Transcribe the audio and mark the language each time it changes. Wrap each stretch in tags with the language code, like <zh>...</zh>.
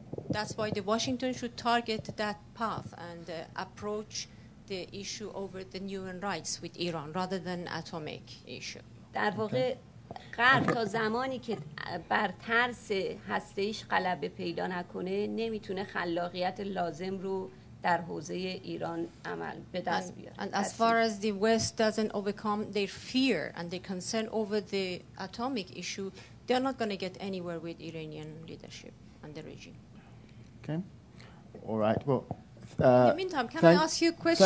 <en>That's why the Washington should target that path and approach the issue over the human rights with Iran rather than atomic issue.</en> <fa>در واقع غرب تا زمانی که بر ترس هسته‌ایش غلبه پیدا نکنه نمیتونه خلاقیت لازم رو در حوزه ایران عمل به دست بیاره.</fa> <en>And as far as the West doesn't overcome their fear and their concern over the atomic issue, they're not going to get anywhere with Iranian leadership and the regime. Okay. All right. Well, in the meantime, can I ask you a question?</en>